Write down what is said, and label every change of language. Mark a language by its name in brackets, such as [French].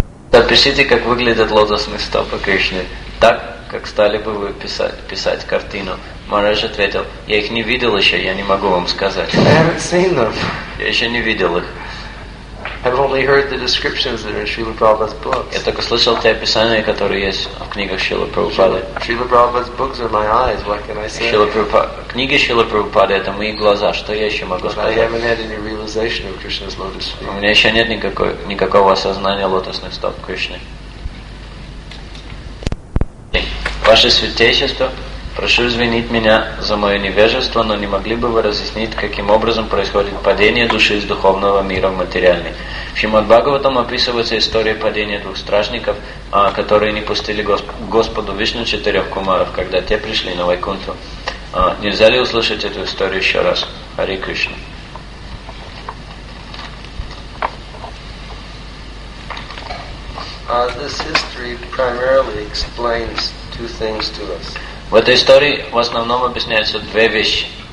[Russian] Запишите, как выглядят лотосные стопы Кришны, так, как стали бы вы писать картину. Махарадж ответил, я их не видел еще, я не могу вам сказать. [English] I haven't seen them. [Russian] Я еще не видел их. [English] I've only heard the descriptions that are in Srila Prabhupada's books. [Russian] Я только слышал те описания, которые есть в книгах Шрилы Прабхупады. [English] Srila Prabhupada's books are my eyes. What can I say? [Russian] Книги Шрилы Прабхупады это мои глаза. Что я еще могу сказать? [English] I haven't had any realization of Krishna's lotus feet. [Russian] У меня еще нет никакого осознания лотосных стоп Кришны. Ваше святейшество, прошу извинить меня за мое невежество, но не могли бы вы разъяснить, каким образом происходит падение души из духовного мира в материальный? В Шримад-Бхагаватам описывается история падения двух стражников, которые не пустили Господу Вишну четырех кумаров, когда те пришли на Вайкунту. Нельзя ли услышать эту историю еще раз? Хари Кришна. [English] This history primarily explains two things to us. [Russian] В этой истории в основном объясняются две вещи.